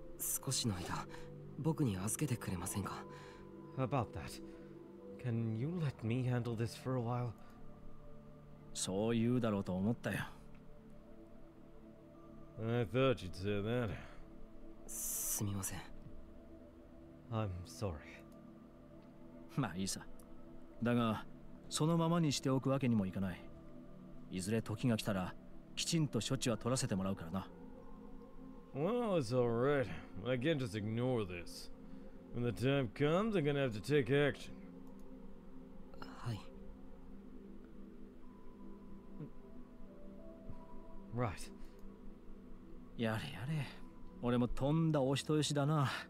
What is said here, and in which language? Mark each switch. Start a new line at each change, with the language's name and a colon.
Japanese: 少しの間、僕に預けてくれませんか?
English: About that. Can you let me handle this for a while?
Japanese: そう言うだろうと思ったよ。
English: I thought you'd say that.
Japanese: すみません。
English: I'm sorry.
Japanese: まあいいさ。だが、そのままにしておくわけにもいかない。いずれ時が来たら、きちんと処置は取らせてもらうからな。
English: Well, it's alright. I can't just ignore this. When the time comes, I'm gonna have to take action. Hi. Right.
Japanese: Yare yare. Ore mo tonda oshitoyoshi da na.